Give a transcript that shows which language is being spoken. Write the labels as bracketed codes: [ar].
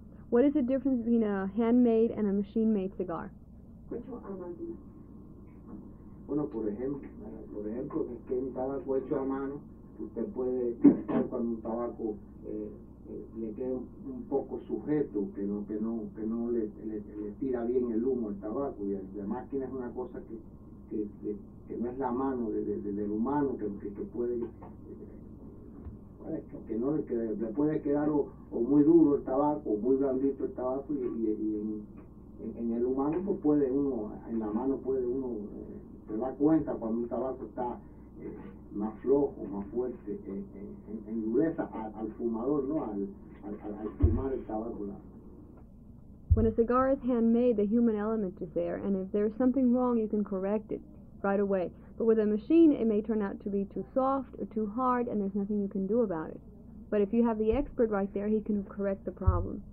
[en] What is the difference between a handmade and a machine-made cigar? [es] Bueno, por ejemplo, es que un tabaco hecho a mano, usted puede pensar cuando un tabaco le queda un poco sujeto, que no le tira bien el humo al tabaco. Y la máquina es una cosa que no es la mano del humano que puede Correcto, que no le quede, le puede quedar o muy duro el tabaco, o muy blandito el tabaco, y en el humano pues puede uno, en la mano puede uno, se da cuenta cuando un tabaco está más flojo, más fuerte, endurece al fumador, ¿no? Al fumar el tabaco. [en] When a cigar is handmade, the human element is there, and if there is something wrong, you can correct it right away. But with a machine, it may turn out to be too soft or too hard, and there's nothing you can do about it. But if you have the expert right there, he can correct the problem.